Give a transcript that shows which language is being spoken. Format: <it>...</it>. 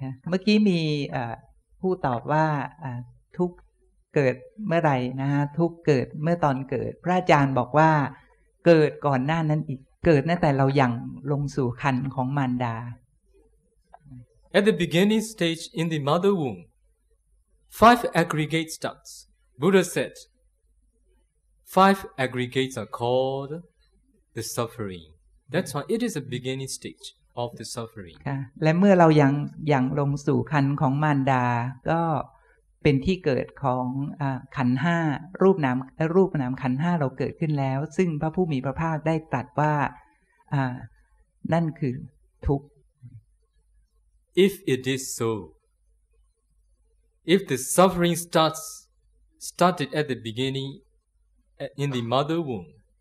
<th>เมื่อกี้มีผู้ตอบว่าทุกข์เกิดเมื่อไหร่นะฮะทุกข์เกิดเมื่อตอนเกิดพระอาจารย์บอกว่าเกิดก่อนหน้านั้นอีกเกิดตั้งแต่เรายังลงสู่ครรภ์ของมารดา</th> <en>At the beginning stage in the mother womb, five aggregates starts. Buddha said, five aggregates are calledThe suffering. That's why it is a beginning stage of the suffering.</en> <th>ค่ะและเมื่อเรายังลงสู่ครรภ์ของมารดาก็เป็นที่เกิดของขันธ์ห้ารูปนามขันธ์ห้าเราเกิดขึ้นแล้วซึ่งพระผู้มีพระภาคได้ตรัสว่านั่นคือทุกข์</th> <en>If it is so, if the suffering started at the beginning in the mother womb.</en>